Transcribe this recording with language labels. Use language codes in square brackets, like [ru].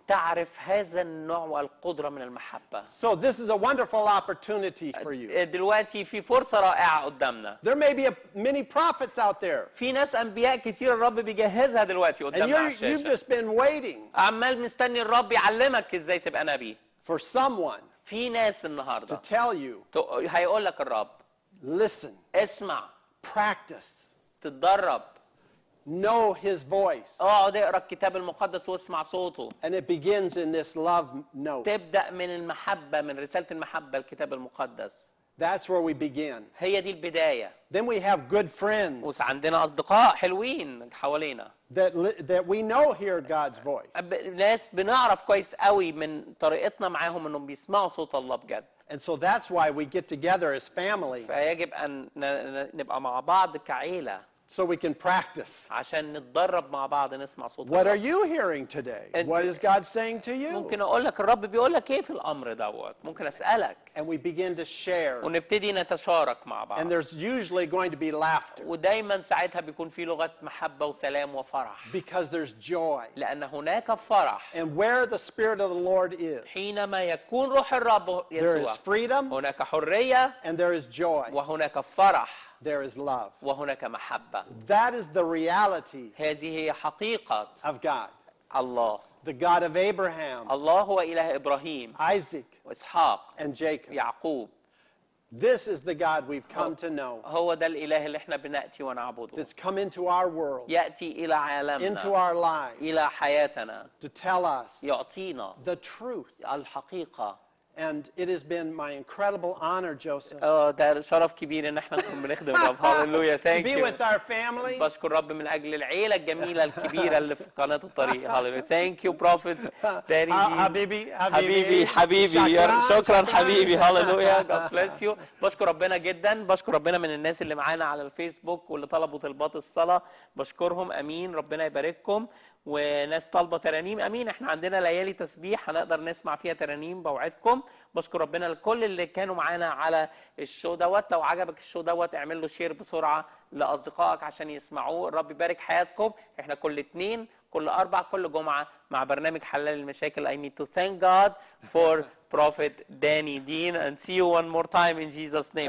[ar] تعرف هذا النوع والقدرة من المحبة. [en] So this is a wonderful opportunity for you. [ar] دلوقتي في فرصة رائعة قدامنا. [en] There may be many prophets out there. [ar] في ناس أنبياء كتير الرب بيجهزها دلوقتي قدامنا. [en] And you've just been waiting. [ar] عمال مستني الرب يعلمك إزاي تبقى نبي. [en] For someone. [ar] في ناس النهاردة. [en] To tell you. [ar] هيقول لك الرب. [en] Listen. [ar] اسمع. [en] Practice. [ar] تتدرب. [en] Know his voice. [ar] اقعد اقرا الكتاب المقدس واسمع صوته. [en] And it begins in this love note. [ar] تبدا من المحبه، من رساله المحبه الكتاب المقدس. [en] That's where we begin. [ar] هي دي البدايه. [en] Then we have good friends. [ar] وعندنا اصدقاء حلوين حوالينا. [en] That we know hear God's voice. [ar] ناس بنعرف كويس قوي من طريقتنا معاهم انهم بيسمعوا صوت الله بجد. [en] And so that's why we get together as family. [ar] فيجب ان نبقى مع بعض كعيله. [en] So we can practice. [ar] عشان نتدرب مع بعض نسمع صوت. [en] What are you hearing today? What is God saying to you? [ar] ممكن اقول لك الرب بيقول لك ايه في الامر دوت. ممكن اسالك. [en] And we begin to share. [ar] ونبتدي نتشارك مع بعض. [en] And there's usually going to be laughter. [ar] ودايما ساعتها بيكون في لغه محبه وسلام وفرح. [en] Because there's joy. [ar] لان هناك فرح. [en] And where the spirit of the Lord is. [ar] حينما يكون روح الرب يسوع. [en] There is freedom. [ar] هناك حريه. [en] And there is joy. [ar] وهناك فرح. [en] There is love. [ar] وهناك محبة. [en] That is the reality. [ar] هذه هي حقيقة. [en] Of God. [ar] الله. [en] The God of Abraham. [ar] الله هو إله إبراهيم. [en] Isaac. [ar] وإسحاق. [en] And Jacob. [ar] يعقوب. [en] This is the God we've come to know. [ar] هو ده الإله اللي إحنا بنأتي ونعبده. [en] That's come into our world. [ar] يأتي إلى عالمنا. [en] Into our lives. [ar] إلى حياتنا. [en] To tell us. [ar] يعطينا. [en] The truth. [ar] الحقيقة. [en] And it has been my incredible honor, Joseph. Oh, that is [ar] شرف كبير إن إحنا نكون بنخدم رب. [en] Hallelujah. Thank you. Be with our family. [ar] بشكر رب من أجل العيلة الجميلة الكبيرة اللي في قناة الطريق. [en] Hallelujah. Thank you, Prophet Danny. [ar] حبيبي. حبيبي. حبيبي. شكرا حبيبي. Hallelujah. [en] God bless you. [ar] بشكر ربنا جدا. بشكر ربنا من الناس اللي معانا على الفيسبوك واللي طلبوا طلبات الصلاة. بشكرهم. أمين. ربنا يبارككم. وناس طالبة ترانيم أمين. إحنا عندنا ليالي تسبيح هنقدر نسمع فيها ترانيم بوعدكم. بشكر ربنا لكل اللي كانوا معنا على الشو دوت. لو عجبك الشو دوت اعمل له شير بسرعة لأصدقائك عشان يسمعوه. الرب يبارك حياتكم. إحنا كل اثنين كل أربع كل جمعة مع برنامج حلال المشاكل. [en] I need to thank God for Prophet Danny Dean and see you one more time in Jesus name.